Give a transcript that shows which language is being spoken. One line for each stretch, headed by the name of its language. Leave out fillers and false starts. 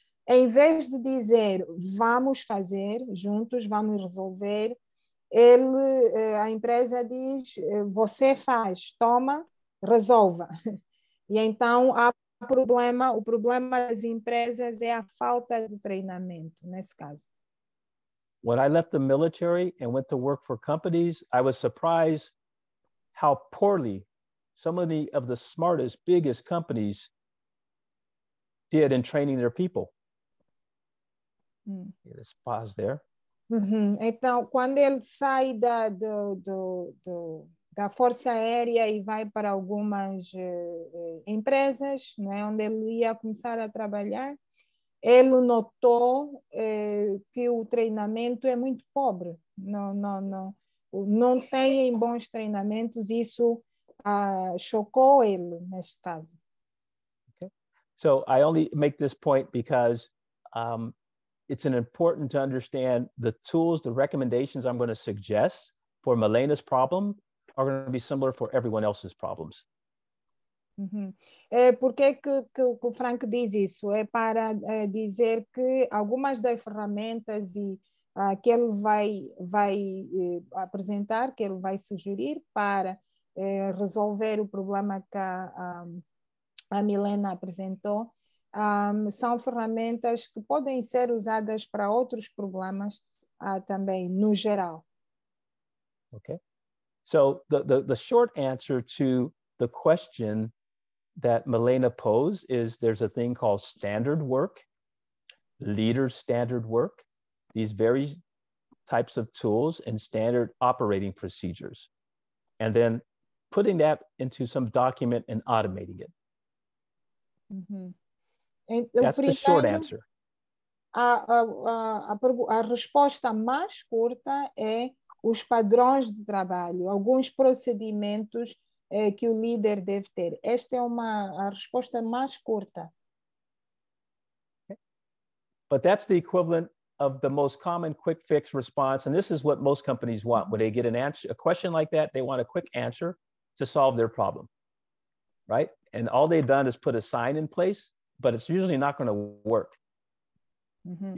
Portuguese: Em vez de dizer vamos fazer juntos, vamos resolver, ele, a empresa diz você faz, toma, resolva. E então há problema, o problema das empresas é a falta de treinamento, nesse caso.
English: When I left the military and went to work for companies, I was surprised how poorly some of the smartest, biggest companies did in training their people. Let's pause there. Uh-huh.
Portuguese: Então, quando ele sai da Força Aérea e vai para algumas empresas, né, onde ele ia começar a trabalhar, ele notou que o treinamento é muito pobre. Não têm bons treinamentos. Isso chocou ele, neste caso. Okay.
English: So I only make this point because it's an important to understand the tools, the recommendations I'm going to suggest for Milena's problem are going to be similar for everyone else's problems. Uhum.
Portuguese: É, por que que o Frank diz isso? É para dizer que algumas das ferramentas que ele vai apresentar, que ele vai sugerir para resolver o problema que a Milena apresentou, são ferramentas que podem ser usadas para outros problemas também, no geral. Ok.
English: So, the short answer to the question that Milena posed is there's a thing called standard work, leader standard work, these various types of tools and standard operating procedures, and then putting that into some document and automating it. Mm-hmm. That's the short answer.
Portuguese: A resposta mais curta é os padrões de trabalho, alguns procedimentos que o líder deve ter. Esta é a resposta mais curta.
English: But that's the equivalent of the most common quick fix response, and this is what most companies want. When they get a question like that, they want a quick answer to solve their problem, right? And all they've done is put a sign in place, but it's usually not going to work. Mm-hmm.